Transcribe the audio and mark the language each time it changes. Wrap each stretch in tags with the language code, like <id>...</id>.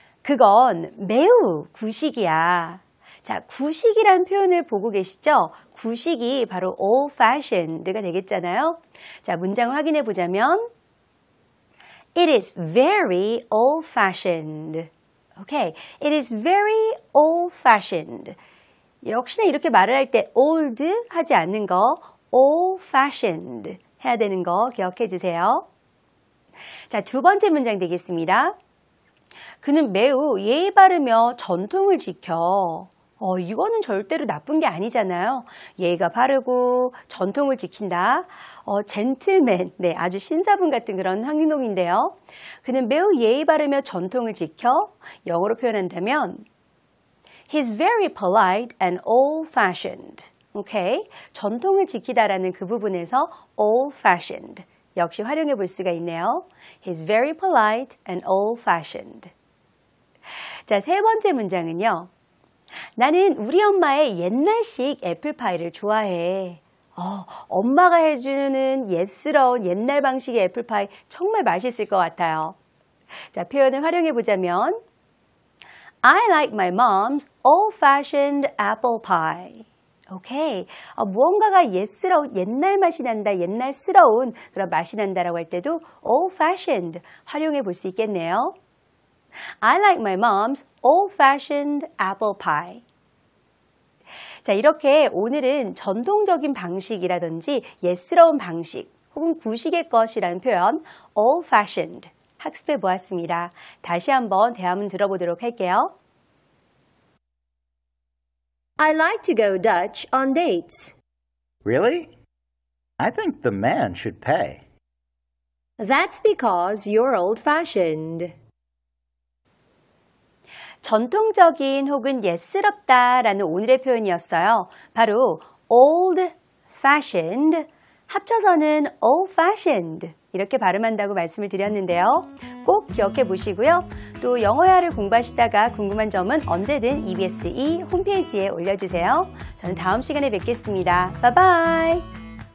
<ko>그건 매우 구식이야. 자, 구식이라는 표현을 보고 계시죠? 구식이 바로 old-fashioned가 되겠잖아요. 자, 문장을 확인해 보자면</ko> <en>It is very old-fashioned. Okay. It is very old-fashioned.</en> <ko>역시나 이렇게 말을 할 때 old 하지 않는 거 old-fashioned 해야 되는 거 기억해 주세요. 자, 두 번째 문장 되겠습니다. 그는 매우 예의 바르며 전통을 지켜. 이거는 절대로 나쁜 게 아니잖아요. 예의가 바르고 전통을 지킨다. 젠틀맨, 네, 아주 신사분 같은 그런 행동인데요. 그는 매우 예의 바르며 전통을 지켜 영어로 표현한다면</ko> <en>He's very polite and old-fashioned.</en> <ko>Okay, 전통을 지키다라는 그 부분에서 old-fashioned 역시 활용해 볼 수가 있네요.</ko> <en>He's very polite and old-fashioned.</en> <ko>자, 세 번째 문장은요. 나는 우리 엄마의 옛날식 애플파이를 좋아해. 엄마가 해주는 옛스러운 옛날 방식의 애플파이 정말 맛있을 것 같아요. 자, 표현을 활용해 보자면</ko> <en>I like my mom's old-fashioned apple pie. Okay.</en> <ko>무언가가 옛스러운 옛날 맛이 난다, 옛날스러운 그런 맛이 난다라고 할 때도 old-fashioned 활용해 볼 수 있겠네요.</ko> <en>I like my mom's old-fashioned apple pie.</en> <ko>자, 이렇게 오늘은 전통적인 방식이라든지 옛스러운 방식 혹은 구식의 것이라는 표현 old-fashioned 학습해 보았습니다. 다시 한번 대화문 들어보도록 할게요.</ko> <en>I like to go Dutch on dates. Really? I think the man should pay. That's because you're old-fashioned.</en> <ko>전통적인 혹은 옛스럽다라는 오늘의 표현이었어요. 바로 old-fashioned, 합쳐서는 old-fashioned 이렇게 발음한다고 말씀을 드렸는데요. 꼭 기억해 보시고요. 또 영어회화를 공부하시다가 궁금한 점은 언제든 EBS E 홈페이지에 올려주세요. 저는 다음 시간에 뵙겠습니다. Bye-bye!</ko>